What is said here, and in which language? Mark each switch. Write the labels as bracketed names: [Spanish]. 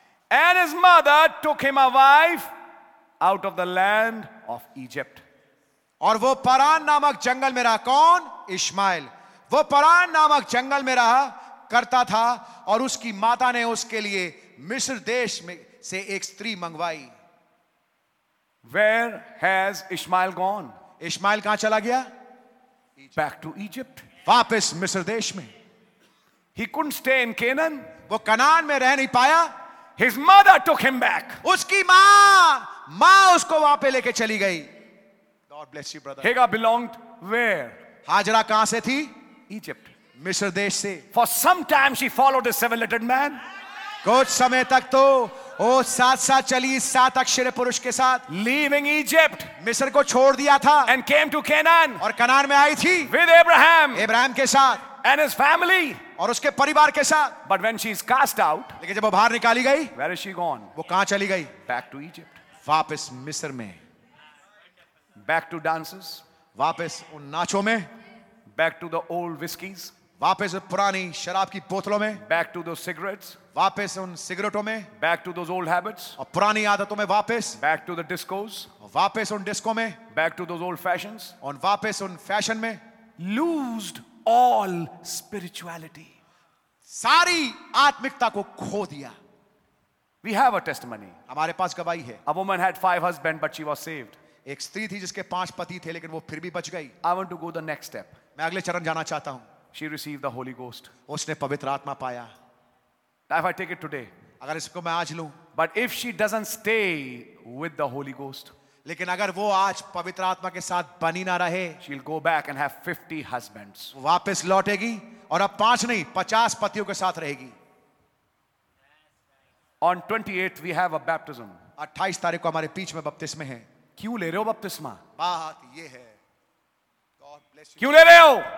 [English] And his mother took him a wife out of the land of Egypt. [Hindi] और वो परान नामक जंगल में रहा. कौन? इश्माइल. वो परान नामक जंगल में रहा करता था और उसकी माता ने उसके लिए मिस्र देश में से एक स्त्री मंगवाई. [English] Where has Ishmael gone? [Hindi] Ishmael कहां चला गया? [English] Back to Egypt. [Hindi] वापस मिस्र देश में. [English] He couldn't stay in Canaan. [Hindi] वो कनान में रह नहीं पाया. [English] His mother took him back. [Hindi] उसकी मां उसको वहां पे लेके चली गई. [English] God bless you, brother. Hagar belonged where? [Hindi] Hazra कहां से थी? [English] Egypt. [Hindi] मिस्र देश से. [English] For some time she followed a seven-letter man. [Hindi] कुछ समय तक तो वो साथ साथ चली सात अक्षर पुरुष के साथ. [English] Leaving Egypt. [Hindi] मिस्र को छोड़ दिया था. [English] And came to Canaan. [Hindi] और कनान में आई थी. [English] With Abraham. [Hindi] इब्राहिम के साथ. [English] And his family. [Hindi] और उसके परिवार के साथ. [English] But when she is cast out. [Hindi] लेकिन जब वो बाहर निकाली गई. [English] Where is she gone? [Hindi] वो कहां चली गई? [English] Back to Egypt. [Hindi] वापस मिस्र में. [English] Back to dances. [Hindi] वापस उन नाचों में. [English] Back to the old whiskies. [Hindi] वापस पुरानी शराब की बोतलों में [English] back to those cigarettes [Hindi] वापस उन सिगरेटों में [English] back to those old habits [Hindi] और पुरानी आदतों में वापस [English] back to the discos [Hindi] वापस उन डिस्को में [English] back to those old fashions [Hindi] और वापस उन फैशन में [English] lost all spirituality [Hindi] सारी आत्मिकता को खो दिया. [English] We have a testimony. [Hindi] हमारे पास गवाही है. [English] A woman had 5 husbands but she was saved. [Hindi] एक स्त्री थी जिसके 5 पति थे लेकिन वो फिर भी बच गई. [English] I want to go the next step. [Hindi] मैं अगले चरण जाना चाहता हूं. [English] She received the Holy Ghost. [Hindi] उसने पवित्र आत्मा पाया. [English] Now if I take it today. [Hindi] अगर इसको मैं आज लूं. [English] But if she doesn't stay with the Holy Ghost. [Hindi] लेकिन अगर वो आज पवित्र आत्मा के साथ बनी ना रहे. [English] She'll go back and have 50 husbands. [Hindi] वापस लौटेगी और अब 5 नहीं 50 पतियों के साथ रहेगी. [English] On 28 we have a baptism. [Hindi] 28 तारीख को हमारे बीच में बपतिस्मे हैं. क्यों ले रहे हो बपतिस्मा? बात ये है. [English] God bless you. [Hindi] क्यों ले रहे हो?